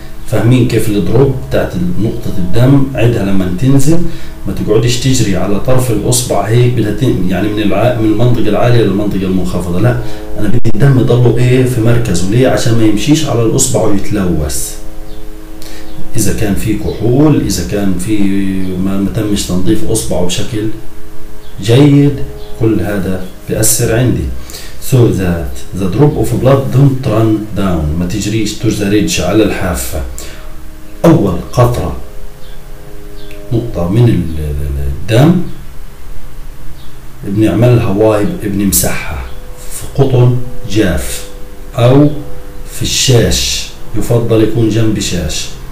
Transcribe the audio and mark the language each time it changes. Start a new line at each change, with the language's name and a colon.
Arabic: فاهمين كيف الدروب بتاعت نقطة الدم عدها لما تنزل ما تقعدش تجري على طرف الأصبع هيك بدها يعني من المنطقة العالية للمنطقة المنخفضة، لا أنا بدي الدم يضلوا إيه في مركز، وليه؟ عشان ما يمشيش على الأصبع ويتلوث إذا كان في كحول، إذا كان في ما تمش تنظيف أصبعه بشكل جيد، كل هذا بيأثر عندي.
English: So that the drop of blood don't run down،
Arabic: ما تجريش تجريش على الحافة. أول قطرة نقطة من الدم بنعملها وايب، بنمسحها في قطن جاف أو في الشاش، يفضل يكون جنب شاش.